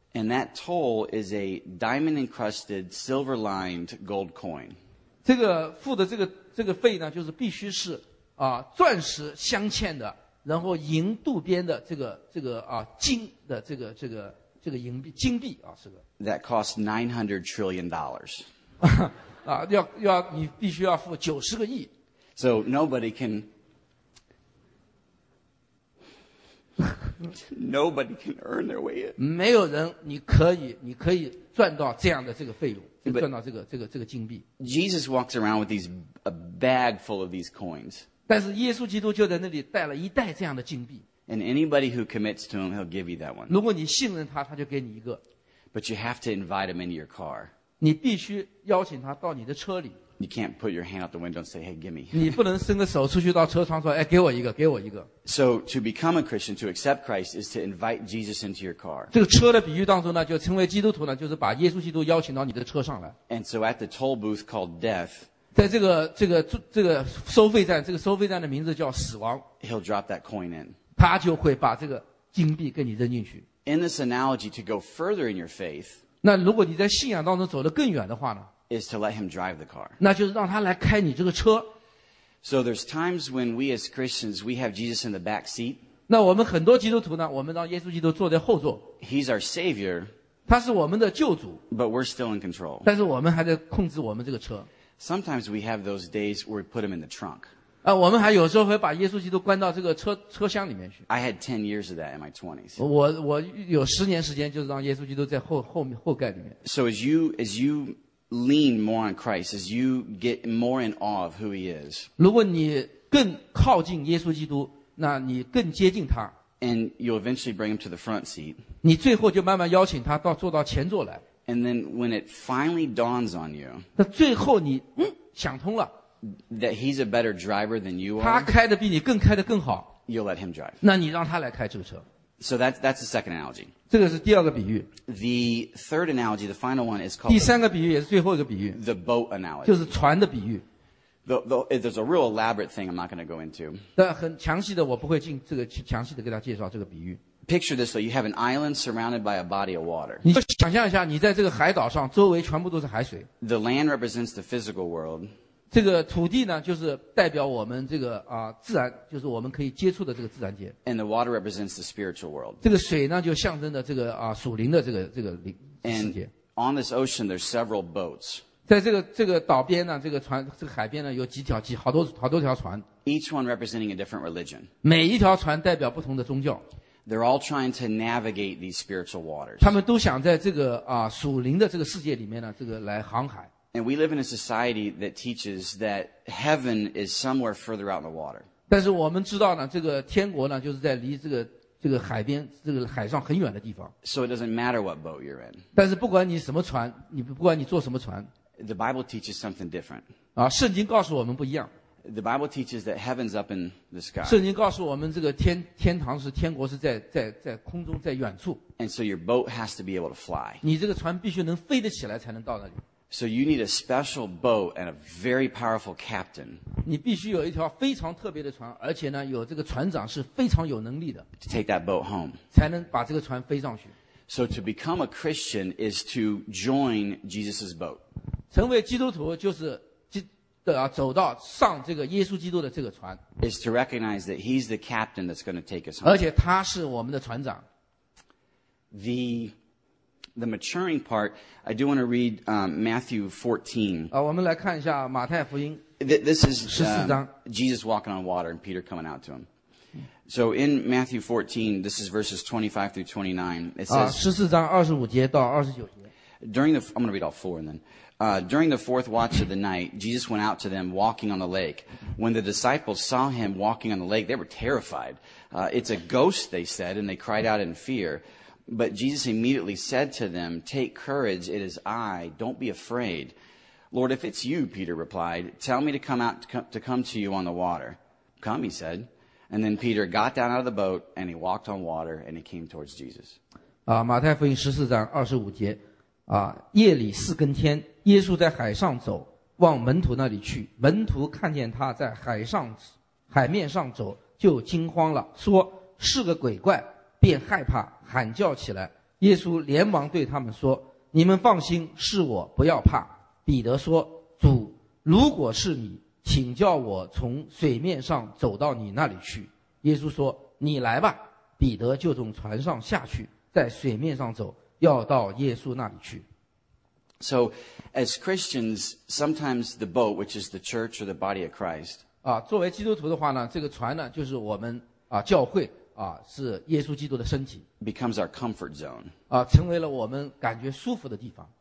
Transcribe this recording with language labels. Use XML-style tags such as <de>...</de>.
<en>And that toll is a diamond-encrusted, silver-lined gold coin.</en> <zh>这个付的这个费呢，就是必须是。钻石镶嵌的，然后银镀边的这个金的这个银币金币啊，是个</zh> <en>That costs $900 trillion.</en> <zh>要你必须要付90亿。</zh> <en>So nobody can. Nobody can earn their way in.</en> <zh>没有人，你可以赚到这样的这个费用，赚到这个金币。</zh> <en>Jesus walks around with a bag full of these coins.</en> <zh>但是耶稣基督就在那里带了一袋这样的金币。</zh> <en>And anybody who commits to him, he'll give you that one.</en> <zh>如果你信任他，他就给你一个。</zh> <en>But you have to invite him into your car.</en> <zh>你必须邀请他到你的车里。</zh> <en>You can't put your hand out the window and say, hey, give me.</en> <zh>你不能伸个手出去到车窗说，哎，给我一个，给我一个。</zh> <en>So to become a Christian, to accept Christ, is to invite Jesus into your car.</en> <zh>这个车的比喻当中呢，就成为基督徒呢，就是把耶稣基督邀请到你的车上来。</zh> <en>And so at the toll booth called death,</en> <zh>在这个收费站，这个收费站的名字叫死亡。</zh> <en>He'll drop that coin in.</en> <zh>他就会把这个金币给你扔进去。</zh> <en>In this analogy, to go further in your faith,</en> <zh>那如果你在信仰当中走得更远的话呢？</zh> <en>Is to let him drive the car.</en> <zh>那就是让他来开你这个车。</zh> <en>So there's times when we as Christians we have Jesus in the back seat.</en> <zh>那我们很多基督徒呢，我们让耶稣基督坐在后座。</zh> <en>He's our Savior.</en> <zh>他是我们的救主。</zh> <en>But we're still in control.</en> <zh>但是我们还在控制我们这个车。</zh> <en>Sometimes we have those days where we put him in the trunk.</en> <zh>啊，我们还有时候会把耶稣基督关到这个车厢里面去。</zh> <en>I had 10 years of that in my 20s.</en> <zh>我有十年时间就是让耶稣基督在后盖里面。</zh> <en>So as you lean more on Christ as you get more in awe of who he is.</en> <zh>如果你更靠近耶稣基督，那你更接近他。</zh> <en>And you eventually bring him to the front seat.</en> <zh>你最后就慢慢邀请他到坐到前座来。</zh> <en>And then when it finally dawns on you.</en> <zh>那最后你想通了。</zh> <en>That he's a better driver than you are.</en> <zh>他开得比你更开得更好。</zh> <en>You'll let him drive.</en> <zh>那你让他来开这个车。</zh> <en>So that's the second analogy.</en> <zh>这个是第二个比喻。</zh> <en>The third analogy, the final one is called.</en> <zh>第三个比喻也是最后一个比喻。</zh> <en>The boat analogy.</en> <zh>就是船的比喻。</zh> <en>There's a real elaborate thing I'm not going to go into.</en> <zh>但很详细的我不会进这个详细的给大家介绍这个比喻。</zh> <en>Picture this though, you have an island surrounded by a body of water.</en> <zh>你就想象一下，你在这个海岛上，周围全部都是海水。</zh> <en>The land represents the physical world.</en> <zh>这个土地呢，就是代表我们这个啊自然，就是我们可以接触的这个自然界。</zh> <en>And the water represents the spiritual world.</en> <zh>这个水呢，就象征着这个啊属灵的这个灵世界。</zh> <en>And on this ocean, there's several boats.</en> <zh>在这个岛边呢，这个船这个海边呢，有好多条船。</zh> <en>Each one representing a different religion.</en> <zh>每一条船代表不同的宗教。</zh> <en>They're all trying to navigate these spiritual waters.</en> <zh>他们都想在这个啊属灵的这个世界里面呢，这个来航海。</zh> <en>And we live in a society that teaches that heaven is somewhere further out in the water.</en> <zh>但是我们知道呢，这个天国呢，就是在离这个海边、这个海上很远的地方。</zh> <en>So it doesn't matter what boat you're in.</en> <zh>但是不管你什么船，你不管你坐什么船。</zh> <en>The Bible teaches something different.</en> <zh>啊，圣经告诉我们不一样。</zh> <en>The Bible teaches that heaven's up in the sky.</en> <zh>圣经告诉我们，这个天堂是天国是在空中，在远处。</zh> <en>And so your boat has to be able to fly.</en> <zh>你这个船必须能飞得起来，才能到那里。</zh> <en>So you need a special boat and a very powerful captain.</en> <zh>你必须有一条非常特别的船，而且呢，有这个船长是非常有能力的。</zh> <en>To take that boat home.</en> <zh>才能把这个船飞上去。</zh> <en>So to become a Christian is to join Jesus's boat.</en> <zh>成为基督徒就是走到上这个耶稣基督的这个船。</zh> <en>Is to recognize that he's the captain that's going to take us home.</en> <zh>而且他是我们的船长。</zh> <en>The maturing part, I do want to read Matthew 14.</en> <zh>我们来看一下马太福音。</zh> <en>This is Jesus walking on water and Peter coming out to him. So in Matthew 14, this is verses 25 through 29. It says,</en> <zh>14章25节到29节。</zh> <en>I'm going to read all four and then. During the fourth watch of the night, Jesus went out to them walking on the lake. When the disciples saw him walking on the lake, they were terrified. It's a ghost, they said, and they cried out in fear. But Jesus immediately said to them, Take courage, it is I, don't be afraid. Lord, if it's you, Peter replied, tell me to come out to come to you on the water. Come, he said. And then Peter got down out of the boat, and he walked on water, and he came towards Jesus.</en> <zh>马太福音14章25节，夜里四更天，耶稣在海上走，往门徒那里去。门徒看见他在海面上走，就惊慌了，说是个鬼怪。便害怕喊叫起来，耶稣连忙对他们说，你们放心，是我，不要怕。彼得说，主，如果是你，请叫我从水面上走到你那里去。耶稣说，你来吧。彼得就从船上下去，在水面上走，要到耶稣那里去。</zh> <en>So as Christians, sometimes the boat, which is the church or the body of Christ,</en> <zh>作为基督徒的话呢，这个船呢，就是我们教会是耶稣基督的身体</zh> <en>becomes our comfort zone</en> <zh>啊，成为了我们感觉舒服的地方。</zh>